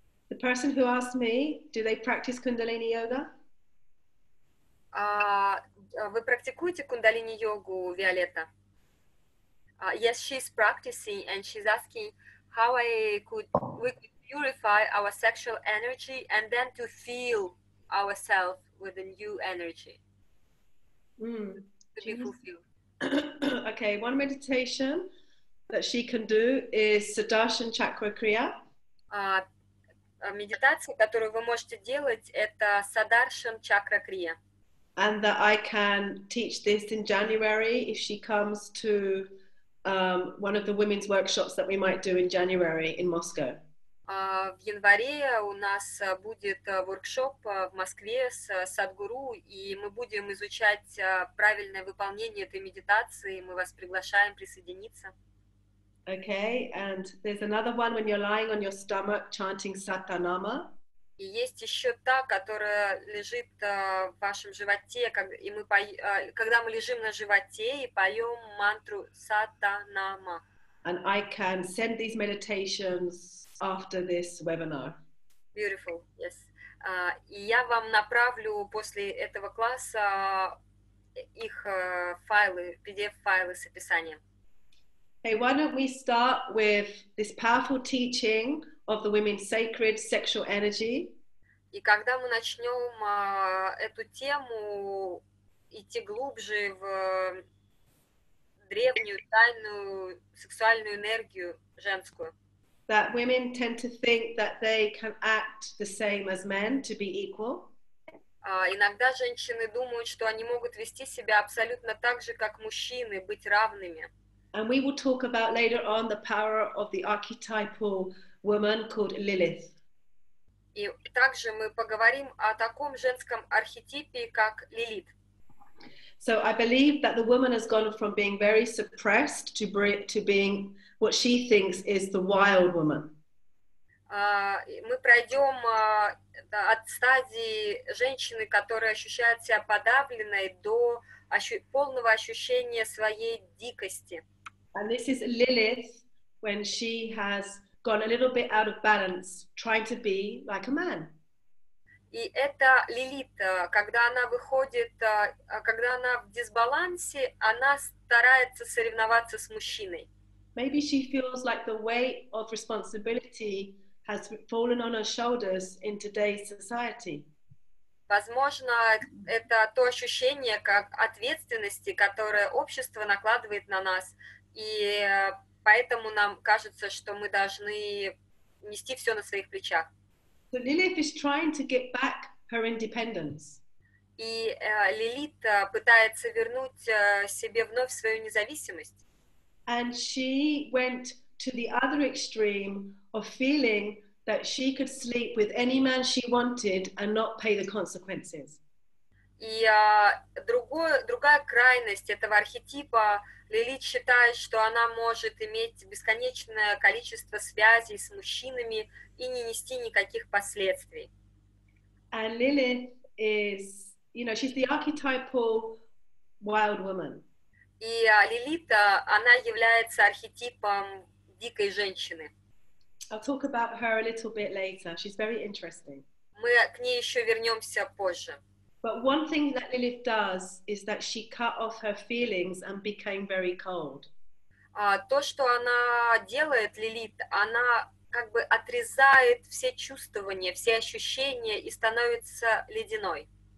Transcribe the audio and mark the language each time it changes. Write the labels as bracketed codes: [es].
[en] The person who asked me, do they practice Kundalini yoga? [ru] Вы практикуете Кундалини йогу, Виолетта? [en] Yes, she's practicing and she's asking how we could purify our sexual energy and then to feel ourselves with a new energy. To be fulfilled. Okay, one meditation that she can do is Sudarshan Chakra Kriya. [ru] Медитация, которую вы можете делать, это Sudarshan Chakra Kriya. [en] And that I can teach this in January if she comes to one of the women's workshops that we might do in January in Moscow. [ru] В январе у нас будет воркшоп в Москве с Садгуру, и мы будем изучать правильное выполнение этой медитации. Мы вас приглашаем присоединиться. [en] Okay, and there's another one when you're lying on your stomach chanting Satanama. [ru] И есть еще та, которая лежит в вашем животе, когда мы лежим на животе и поем мантру Сатанама. [en] And I can send these meditations after this webinar. Beautiful, yes. [ru] И я вам направлю после этого класса их файлы, PDF-файлы с описанием. [en] Hey, why don't we start with this powerful teaching of the women's sacred sexual energy? [ru] И когда мы начнем эту тему, идти глубже в древнюю, тайную сексуальную энергию женскую. [en] That women tend to think that they can act the same as men to be equal. [ru] Иногда женщины думают, что они могут вести себя абсолютно так же, как мужчины, быть равными. [en] And we will talk about later on the power of the archetypal woman called Lilith. [ru] И также мы поговорим о таком женском архетипе, как Лилит. [en] So I believe that the woman has gone from being very suppressed to being what she thinks is the wild woman. [ru] Мы пройдем от стадии женщины, которая ощущает себя подавленной, до полного ощущения своей дикости. [en] And this is Lilith when she has gone a little bit out of balance, trying to be like a man. [ru] И это Лилит, когда она выходит, когда она в дисбалансе, она старается соревноваться с мужчиной. [en] Maybe she feels like the weight of responsibility has fallen on her shoulders in today's society. [ru] Возможно, это то ощущение как ответственности, которое общество накладывает на нас, и поэтому нам кажется, что мы должны нести все на своих плечах. [en] So Lilith is trying to get back her independence. [ru] И Лилит пытается вернуть себе вновь свою независимость. [en] And she went to the other extreme of feeling that she could sleep with any man she wanted and not pay the consequences. [ru] И другая крайность этого архетипа, Лилит считает, что она может иметь бесконечное количество связей с мужчинами и не нести никаких последствий. [en] And Lilith is, you know, she's the archetypal wild woman. [ru] И Лилит, она является архетипом дикой женщины. [en] I'll talk about her a little bit later. She's very interesting. [ru] Мы к ней еще вернемся позже. [en] But one thing that Lilith does is that she cut off her feelings and became very cold. [ru] То, что она делает, Лилит, она как бы отрезает все чувствования, все ощущения и становится ледяной.